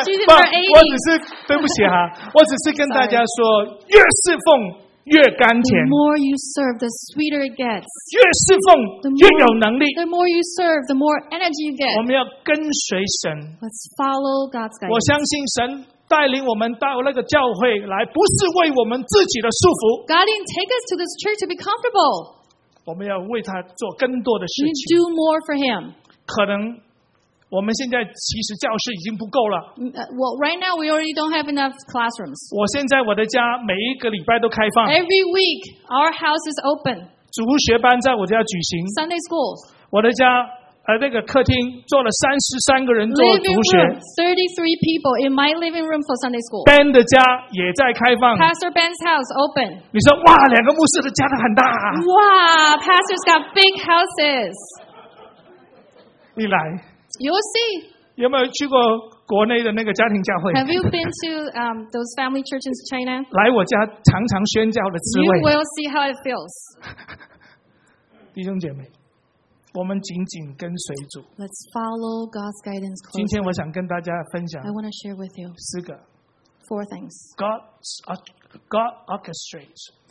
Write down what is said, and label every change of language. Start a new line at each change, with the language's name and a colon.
Chinese: 我只是对不起啊我只是跟大家说越侍奉越甘甜。
English: The more you serve, the sweeter it gets.
Chinese: 越侍奉，越有能力。
English: The more you serve, the more energy you get.
Chinese: 我们要跟随神。
English: Let's follow God's guidance.
Chinese: 我相信神带领我们到那个教会来，不是为我们自己的束缚。
English: God didn't take us to this church to be comfortable.
Chinese: 我们要为他做更多的事情。
English: Do more for him.
Chinese: 可能我们现在其实教室已经不够了。
English: Well, right now we already don't have enough classrooms.
Chinese: 我现在我的家每一个礼拜都开放。
English: Every week our house is open.
Chinese: 主日学班在我家举行。
English: Sunday schools.
Chinese: 我的家那个客厅坐了33个人做主学。
English: Living room, 33 people in my living room for Sunday school.
Chinese: Ben 的家也在开放。
English: Pastor Ben's house open.
Chinese: 你说哇，两个牧师的家都很大、啊。
English: 哇 ，Pastor's got big houses.
Chinese: 你来。
English: You'll see.
Chinese: 有没有去过国内的那个家庭教会
English: ？Have you been to those family churches in China?
Chinese: 来我家常常宣教的滋味。
English: You will see how it feels.
Chinese: 弟兄姐妹，我们紧紧跟随主。
English: Let's follow God's guidance closely.
Chinese: 今天我想跟大家分享。
English: I want to share with you.
Chinese: 四个。
English: Four things. God orchestrates.